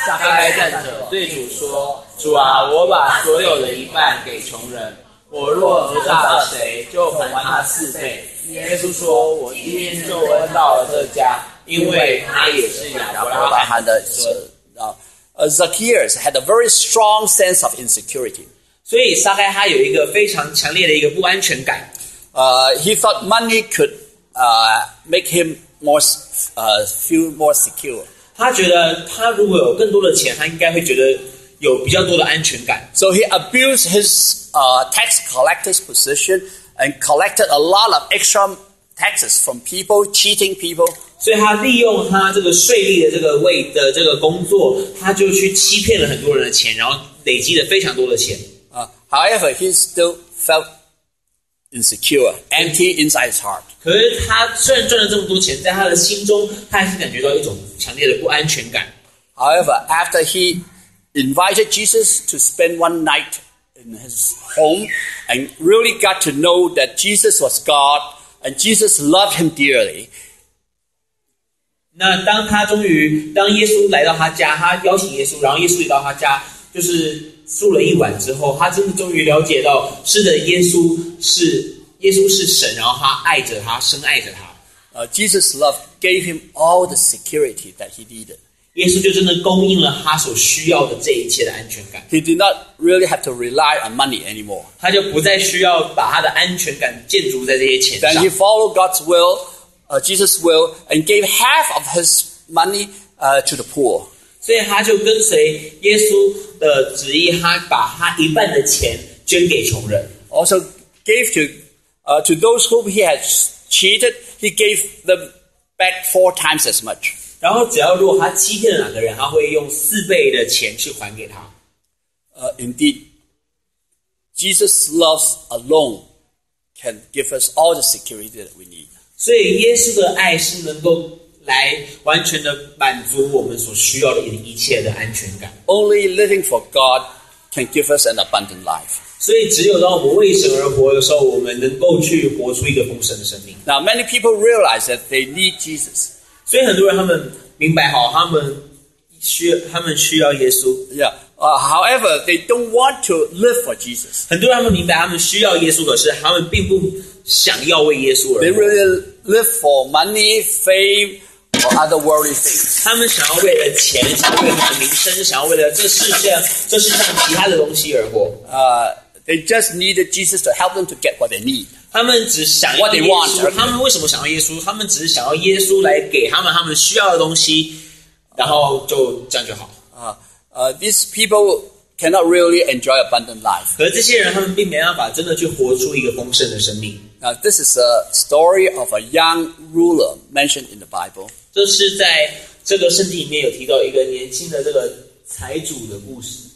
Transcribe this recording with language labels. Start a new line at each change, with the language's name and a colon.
Chinese: 撒该站着对主说：“主啊，我把所有的一半给穷人，我若讹诈了谁，就还他四倍。” 耶稣说：“我今天就恩到了这家，因为他也是亚伯拉罕的孙。”
English: Zacchaeus had a very strong sense of insecurity.
Chinese: 所以撒该他有一个非常强烈的一个不安全感。
English: He thought money could, make him more, feel more secure.
Chinese: 他觉得他如果有更多的钱，他应该会觉得有比较多的安全感。
English: So he abused his, tax collector's position and collected a lot of extra taxes from people, cheating people.
Chinese: 所以他利用他这个税吏的这个位的这个工作，他就去欺骗了很多人的钱，然后累积了非常多的钱。
English: However, he still felt insecure, empty inside his heart.
Chinese: 可是他虽然赚了这么多钱，在他的心中，他还是感觉到一种强烈的不安全感。
English: However, after he invited Jesus to spend one night in his home and really got to know that Jesus was God and Jesus loved him dearly.
Chinese: 那当他终于当耶稣来到他家，他邀请耶稣，然后耶稣也到他家，就是住了一晚之后，他真的终于了解到，是的，耶稣是神，然后他爱着他，深爱着他。
English: Jesus' love gave him all the security that he needed.
Chinese: 耶稣就真的供应了他所需要的这一切的安全感。
English: He did not really have to rely on money anymore.
Chinese: 他就不再需要把他的安全感建筑在这些钱上。
English: Then he followed God's will, Jesus' will, and gave half of his money, to the poor.
Chinese: 所以他就跟随耶稣的旨意，他把他一半的钱捐给穷人。
English: Also gave to those whom he had cheated, he gave them back four times as much.
Chinese: 然后只要如果他欺骗了哪个人，他会用四倍的钱去还给他。
English: Indeed, Jesus' love alone can give us all the security that we need.
Chinese: 所以耶稣的爱是能够来完全的满足我们所需要的一切的安全感。
English: Only living for God can give us an abundant life.
Chinese: 所以只有当我们为神而活的时候，我们能够去活出一个丰盛的生命。
English: Now many people realize that they need Jesus.
Chinese: 所以很多人他们明白好，他们需要耶稣。
English: Yeah. However, they don't want to live for Jesus.
Chinese: 很多人他们明白他们需要耶稣，可是他们并不想要为耶稣而活。
English: They really live for money, fame, or other worldly things.
Chinese: 他们想要为了钱，想要为了名声，想要为了这世上其他的东西而活。
English: They just needed Jesus to help them to get what they need.
Chinese: 他们只想要耶稣。
English: What they want.
Chinese: 他们为什么想要耶稣？他们只是想要耶稣来给他们需要的东西，然后就这样就好。
English: These people cannot really enjoy abundant life.
Chinese: 可是这些人他们并没办法真的去活出一个丰盛的生命。
English: Now, this is a story of a young ruler mentioned in the Bible.
Chinese: 这是在这个圣经里面有提到一个年轻的这个财主的故事。